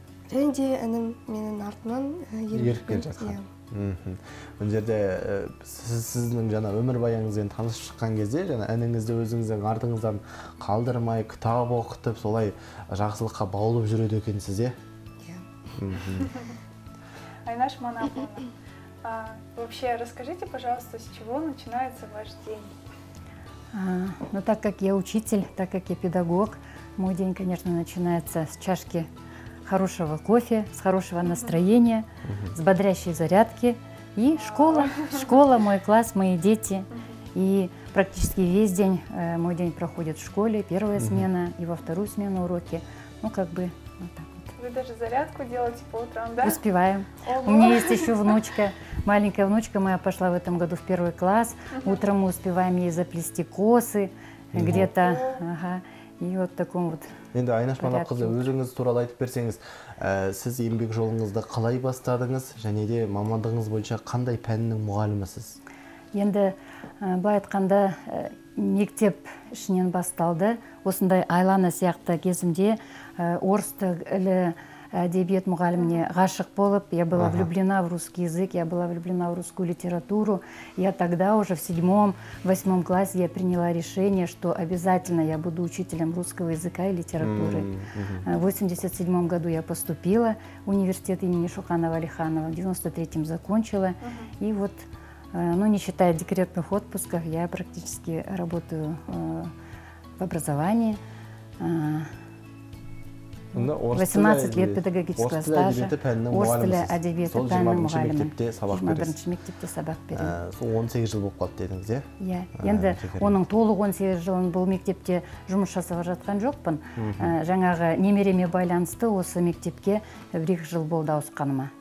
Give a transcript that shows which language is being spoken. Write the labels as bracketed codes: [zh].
[kk] Және де інім менің артымнан еріп келе жатқан. Бұл жерде сіздің жаңа өмірбаяныңызбен танысып шыққан кезде, жаңа ініңізді өзіңіздің артыңыздан қалдырмай, кітап оқытып, солай жақсылыққа баулып жүреді екенсіз, иә? [ru] Айнаш Манаповна, вообще расскажите, пожалуйста, с чего начинается ваш день? Ну, так как я учитель, так как я педагог, мой день, конечно, начинается с чашки хорошего кофе, с хорошего настроения, с бодрящей зарядки. И школа, мой класс, мои дети. И практически весь день, мой день проходит в школе, первая смена, и во вторую смену уроки. Ну, как бы, вот так вот. Вы даже зарядку делаете по утрам, да? Успеваем. У меня есть еще внучка, маленькая внучка моя пошла в этом году в первый класс. Утром мы успеваем ей заплести косы где-то. И вот таком вот. [kk] Енді Айнаш Манаповна, өзіңіз туралы айтып берсеңіз, сіз еңбек жолыңызды қалай бастадыңыз, және де мамандығыңыз бойынша қандай пәннің мұғалімісіз? Енді бұл айтқанда мектеп ішінен басталды. Осындай айланы сияқты кезімде орыс тілі әдебиет мұғаліміне ғашық болып, [ru] я была влюблена в русский язык, я была влюблена в русскую литературу. Я тогда уже в 7-8 классе я приняла решение, что обязательно я буду учителем русского языка и литературы. В 87 году я поступила в университет имени Шуханова Алиханова, в 93-м закончила. И вот, ну, не считая декретных отпусков, я практически работаю в образовании. 18 лет педагогического стажа, [kk] орыс тілі әдебиеті пәнінің мұғалімі, 21-ші мектепте сабақ беремін. Сол 18 жыл болып қалды дедіңіз, иә? Иә, енді оның толық 18 жылын бұл мектепте жұмыс жасап жатқан жоқпын. Жаңағы немереме байланысты осы мектепке 1-2 жыл болды ауысқаныма.